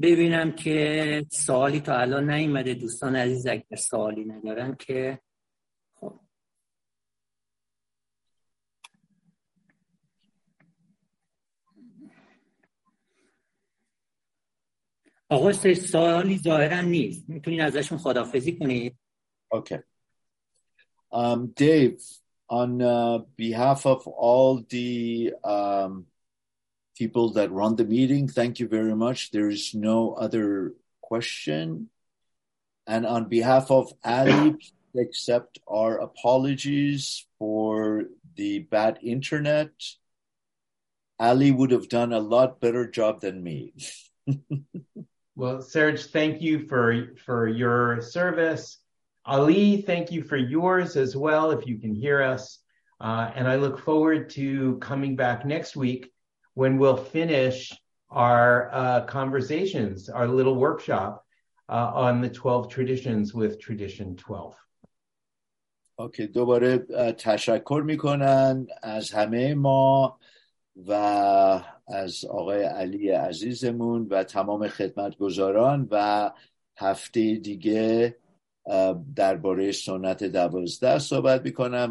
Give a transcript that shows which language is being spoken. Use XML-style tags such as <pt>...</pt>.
<fa>ببینم که سوالی تا الان نیومده. دوستان عزیز اگر سوالی ندارن که خب. آقا سوالی ظاهرا نیست، میتونین ازشون خدافظی کنید. اوکی.</fa> <en>Dave, on behalf of all the people that run the meeting, thank you very much. There is no other question. And on behalf of Ali, accept our apologies for the bad internet. Ali would have done a lot better job than me. Well, Serge, thank you for your service. Ali, thank you for yours as well, if you can hear us. And I look forward to coming back next week when we'll finish our conversations, our little workshop on the 12 traditions with tradition 12.</en> <fa>Okay, دوباره تشکر میکنن از همه ما و از آقای علی عزیزمون و تمام خدمتگزاران، و هفته دیگه درباره سنت 12 صحبت میکنم.</fa>